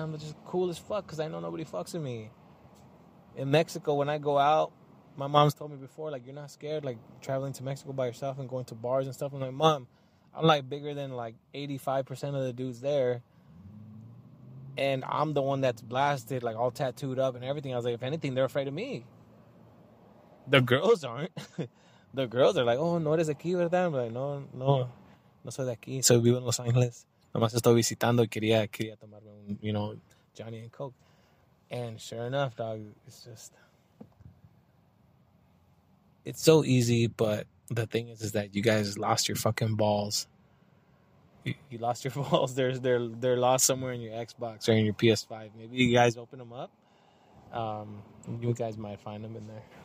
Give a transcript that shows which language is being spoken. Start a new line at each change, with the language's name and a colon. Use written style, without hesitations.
English: I'm just cool as fuck because I know nobody fucks with me. In Mexico, when I go out, my mom's told me before, like, you're not scared, like, traveling to Mexico by yourself and going to bars and stuff. I'm like, Mom, I'm, like, bigger than, like, 85% of the dudes there. And I'm the one that's blasted, like, all tattooed up and everything. I was like, if anything, they're afraid of me. The girls aren't. The girls are like,
Spanish: oh, no eres aquí, ¿verdad?
English: I'm like,
Spanish: no, no. No soy de aquí, soy vivo en Los Ángeles. Nomás estoy visitando y quería tomarme un,
English: you know, Johnny and Coke. And sure enough, dog, it's so easy, but the thing is that you guys lost your fucking balls. You lost your balls. They're lost somewhere in your Xbox or in your PS5. Maybe you guys open them up. You guys might find them in there.